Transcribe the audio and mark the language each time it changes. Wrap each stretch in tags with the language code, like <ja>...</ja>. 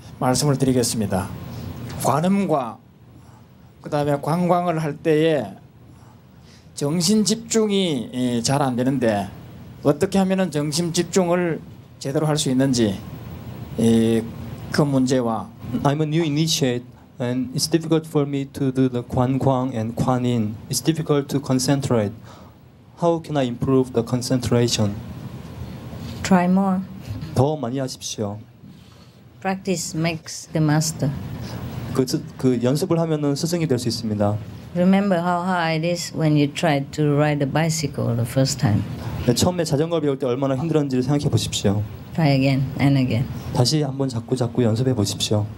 <ko>말씀을 드리겠습니다. 관음과 그 다음에 관광을 할 때에 정신 집중이 잘 안 되는데 어떻게 하면은 정신 집중을 제대로 할 수 있는지 그 문제와</ko> <en>I'm a new initiate and it's difficult for me to do the 관광 and 관인. It's difficult to concentrate. How can I improve the concentration? Try more.</en> <ko>더 많이 하십시오.</ko> <en>Practice makes the master.</en> <ko>그 연습을 하면은 스승이 될 수 있습니다.</ko> <en>Remember how hard it is when you tried to ride a bicycle the first time.</en> <ko>네, 처음에 자전거 배울 때 얼마나 힘들었는지를 생각해 보십시오.</ko> <en>Try again and again.</en> <ko>다시 한번 자꾸 연습해 보십시오.</ko>